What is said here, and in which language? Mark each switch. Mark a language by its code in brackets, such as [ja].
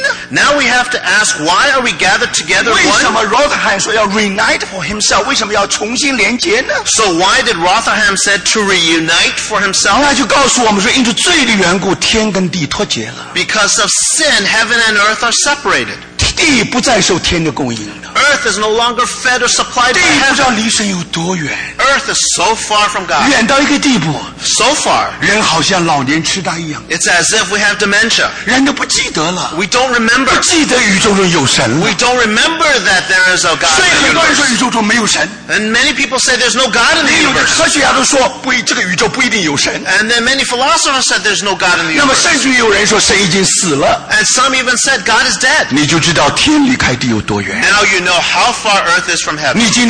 [en] now we have to ask, why are we gathered together one? [zh] 为什么Rotherham说要 [en] reunite for himself? [zh] 为什么要重新连接呢? [en] So why did Rotherham say to reunite for himself? [zh] 那就告诉我们说因着罪的缘故天跟地脱节了。 [en] Because of sin, heaven and earth are separated. [zh] 地不再受天的供应了。 [en] Earth is no longer fed or supplied by heaven. [zh] 地不知道离神有多远。 [en] Earth is so far from God. [zh] 远到一个地步。 [en] So far. [zh] 人好像老年痴呆一样。 [en] It's as if we have dementia. [zh] 人都不记得了。 [en] We don't remember. [zh] 不记得宇宙中有神了。 [en] We don't remember that there is a God. [zh] 所以很多人说宇宙中没有神。 [en] And many people say there's no God in the universe. [zh] 科学家都说这个宇宙不一定有神。 [en] And then many philosophers said there's no God in the universe. [zh] 那么甚至于有人说神已经死了。 [en] And some even said God is dead. [zh] 你就知道。 [en] Now you know how far earth is from heaven.